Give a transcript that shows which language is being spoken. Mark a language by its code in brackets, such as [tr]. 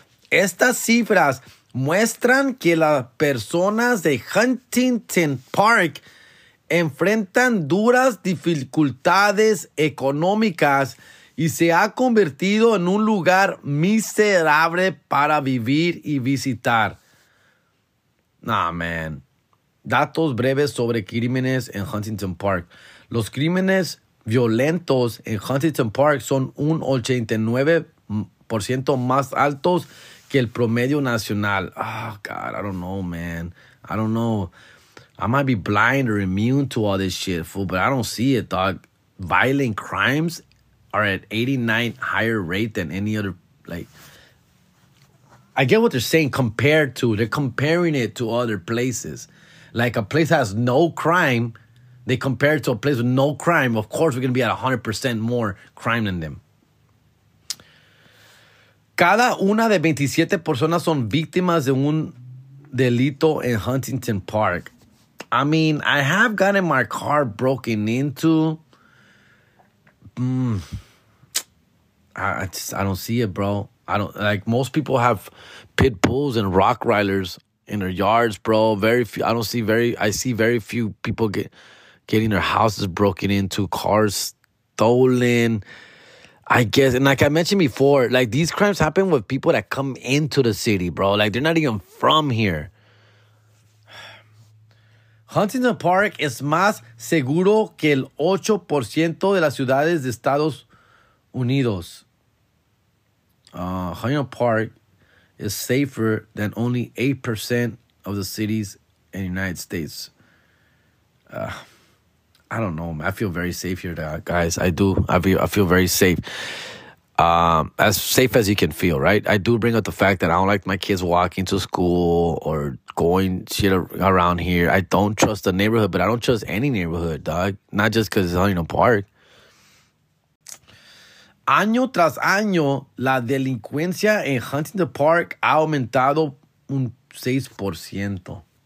[es] Estas cifras muestran que las personas de Huntington Park enfrentan duras dificultades económicas y se ha convertido en un lugar miserable para vivir y visitar. [en] Nah, man. [es] Datos breves sobre crímenes en Huntington Park. Los crímenes violentos en Huntington Park son un 89% más altos que el promedio nacional. [en] Oh, God, I don't know, man. I don't know. I might be blind or immune to all this shit, fool, but I don't see it, dog. Violent crimes are at 89% higher rate than any other, like, I get what they're saying compared to, they're comparing it to other places. Like, a place that has no crime, they compare it to a place with no crime, of course we're going to be at 100% more crime than them. [es] Cada una de 27 personas son víctimas de un delito en Huntington Park. [en] I mean, I have gotten my car broken into. I don't see it, bro. I don't, like, most people have pit bulls and Rottweilers in their yards, bro. I see very few people getting their houses broken into, cars stolen. I guess, and like I mentioned before, like, these crimes happen with people that come into the city, bro. Like, they're not even from here. [es] Huntington Park is más seguro que el 8% de las ciudades de Estados Unidos. [en] Huntington Park is safer than only 8% of the cities in the United States. I don't know, man. I feel very safe here, guys. I do. I feel very safe. As safe as you can feel, right? I do bring up the fact that I don't like my kids walking to school or going shit around here. I don't trust the neighborhood, but I don't trust any neighborhood, dog. Not just because it's Huntington Park. [es] Año tras año, la delincuencia en Huntington Park ha aumentado un 6%.